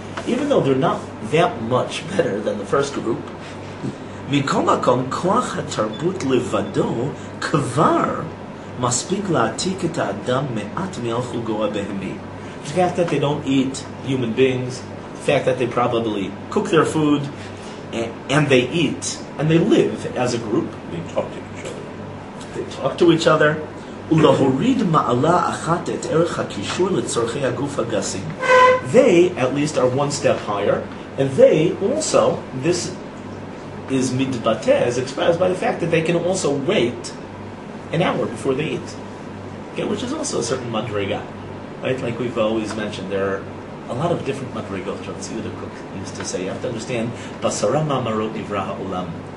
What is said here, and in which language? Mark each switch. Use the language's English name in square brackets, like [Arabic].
[English] Even though they're not that much better than the first group, [Hebrew] מכל מקום, כוח התרבות לבדו כבר מספיק להעתיק את האדם מעט מלך וגוע בהמי. [English] The fact that they don't eat human beings, the fact that they probably cook their food, and they eat, and they live as a group. They talk to each other. They talk to each other. [Hebrew] ולהוריד מעלה אחת את ערך הקישור לצורכי הגוף הגסים. [English] They, at least, are one step higher, and they also, this is midbate, is expressed by the fact that they can also wait an hour before they eat. Okay, which is also a certain madriga. Right? Like we've always mentioned, there are a lot of different madrigot, as Yehuda Cook used to say. You have to understand, basara ma'amaro divra ha'olam.